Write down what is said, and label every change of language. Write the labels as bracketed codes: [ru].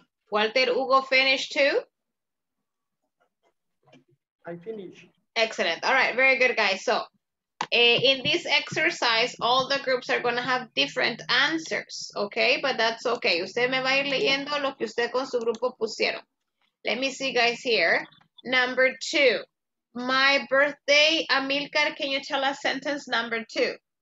[en] Walter Hugo finished too? I finished. Excellent. All right. Very good, guys. So in this exercise, all the groups are going to have different answers. Okay. But that's okay. [es] Usted me va a ir leyendo lo que usted con su grupo pusieron. [en] Let me see, guys, here. Number two. My birthday, Amilcar, can you tell us sentence number two?